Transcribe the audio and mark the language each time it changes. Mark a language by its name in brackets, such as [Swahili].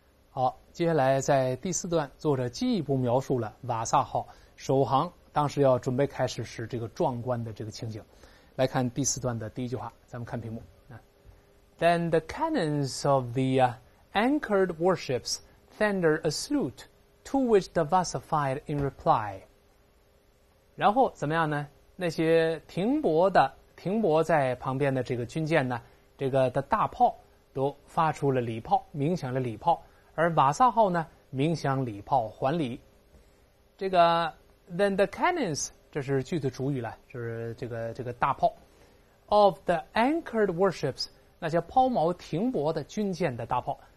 [Chinese] 好，接下来在第四段，作者进一步描述了瓦萨号首航当时要准备开始时这个壮观的这个情景。来看第四段的第一句话，咱们看屏幕。 [English] Then the cannons of the anchored warships thundered a salute, to which the Vasa fired in reply. [Chinese] 然后怎么样呢？那些停泊在旁边的这个军舰呢，这个的大炮都发出了礼炮，鸣响了礼炮。而瓦萨号呢，鸣响礼炮还礼。这个 [English] then the cannons， [Chinese] 这是句子主语了，就是这个大炮 [English] of the anchored warships， [Chinese] 那些抛锚停泊的军舰的大炮。